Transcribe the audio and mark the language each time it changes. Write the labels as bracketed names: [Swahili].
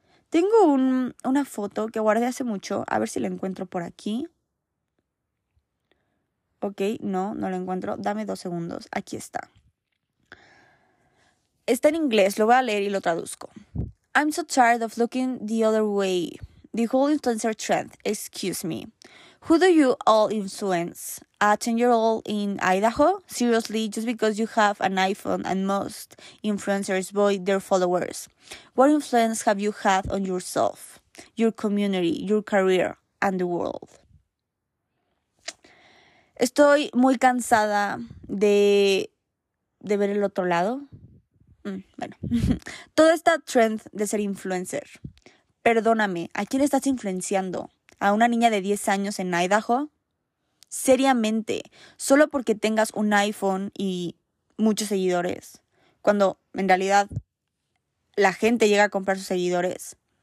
[Spanish] Tengo una foto que guardé hace mucho. A ver si la encuentro por aquí. Ok, no la encuentro. Dame 2 segundos. Aquí está. Está en inglés. Lo voy a leer y lo traduzco. [English] I'm so tired of looking the other way. The whole influencer trend. Excuse me. Who do you all influence? A 10-year-old in Idaho? Seriously, just because you have an iPhone and most influencers buy their followers. What influence have you had on yourself, your community, your career, and the world? [Spanish] Estoy muy cansada de ver el otro lado. Bueno, toda esta trend de ser influencer. Perdóname, ¿a quién estás influenciando? ¿A una niña de 10 años en Idaho? Seriamente, solo porque tengas un iPhone y muchos seguidores, cuando en realidad la gente llega a comprar sus seguidores.